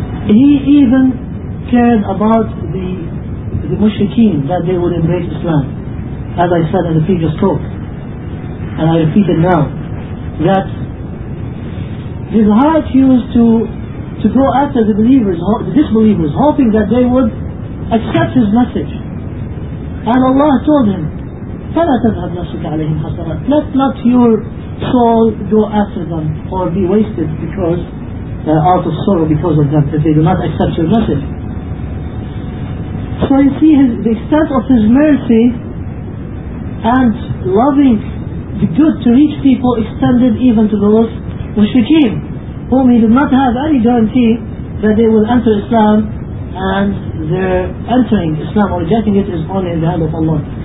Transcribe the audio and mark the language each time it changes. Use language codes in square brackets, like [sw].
[en] He even cared about the mushrikeen, that they would embrace Islam, as I said in the previous talk, and I repeat it now, that his heart used to go after the believers, the disbelievers, hoping that they would accept his message. And Allah told him, [ar] فَلَا تَذْهَبْ نَفْسُكَ عَلَيْهِمْ حَسَرَةً. [en] Let not your soul go after them or be wasted because out of sorrow because of them, if they do not accept your message. So you see the extent of his mercy and loving the good to reach people extended even to those mushrikeen, whom he did not have any guarantee that they will enter Islam, and their entering Islam or rejecting it is only in the hand of Allah.